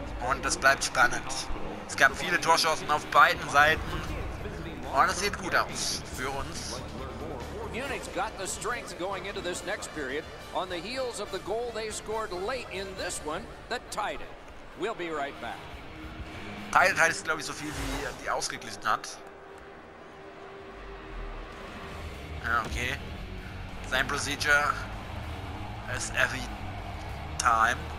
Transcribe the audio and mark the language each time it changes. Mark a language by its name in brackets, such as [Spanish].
[German] Und es bleibt spannend. Es gab viele Torchancen auf beiden Seiten und es sieht gut aus für uns. [English] Munich's got the strength going into this next period on the heels of the goal they scored late in this one that tied it. We'll be right back. [German] Teil ist, glaube ich, so viel, wie die ausgeglichen hat. Ja, okay. [English] Same procedure as every time.